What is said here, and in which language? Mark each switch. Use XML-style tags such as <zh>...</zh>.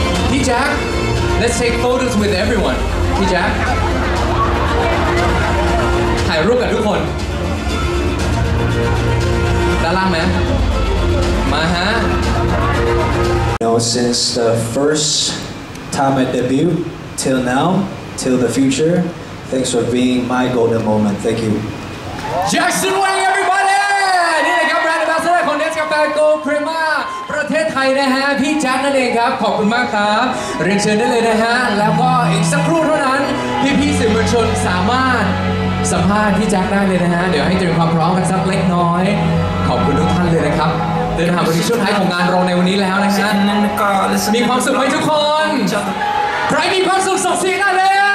<en>P-Jack, let's take photos with everyone. P-Jack.</en> <th>ายรูปกับทุกคนด้านล่างไหมมาฮะ</th> <en>No, since the first time I debuted till now, till the future, thanks for being my golden moment. Thank you. Jackson Wang, everybody!</en> <th>นี่นะครับแบรนด์แอมบาสเดอร์ของเนสกาแฟโกลด์ครีมาประเทศไทยนะฮะพี่แจ็คนั่นเองครับขอบคุณมากครับเรียนเชิญได้เลยนะฮะแล้วก็อีกสักครู่เท่านั้นพี่ๆสื่อมวลชนสามารถสัมภาษณ์พี่แจ็คได้เลยนะฮะเดี๋ยวให้เตรียมความพร้อมกันสักเล็กน้อยขอบคุณทุกท่านเลยนะครับเดินทางมาถึงช่วงท้ายของงานเราในวันนี้แล้วนะฮะมีความสุขไหมทุกคนใครมีความสุขส่งเสียงได้เลย</th>